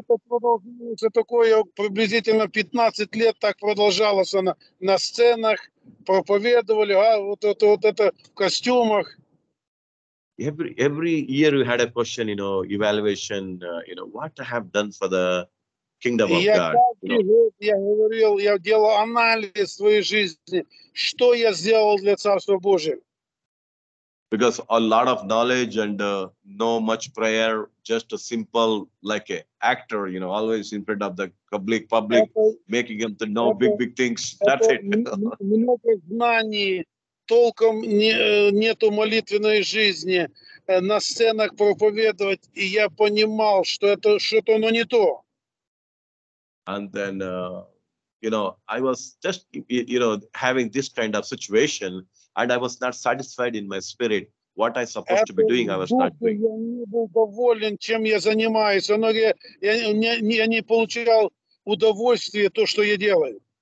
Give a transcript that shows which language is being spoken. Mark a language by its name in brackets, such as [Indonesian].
[Russian] Приблизительно 15 лет так продолжалось она на сценах проповедовали, это в костюмах. [English] Every year we had a question, evaluation, what I have done for the kingdom of God. [Russian] Я говорил, я делал анализ своей жизни, что я сделал для Царства Божьего. [English] Because a lot of knowledge and no much prayer, just a simple, like an actor, always in front of the public, making them to know big things. That's it. [Russian] Много знаний. Толком нету молитвенной жизни на сценах проповедовать, и я понимал, что это что-то, но не то. [English] And then, I was just, having this kind of situation, and I was not satisfied in my spirit. What I supposed to be doing, I was not doing. [Russian] Я не был доволен, чем я занимаюсь. Я не получал удовольствия то, что я делаю.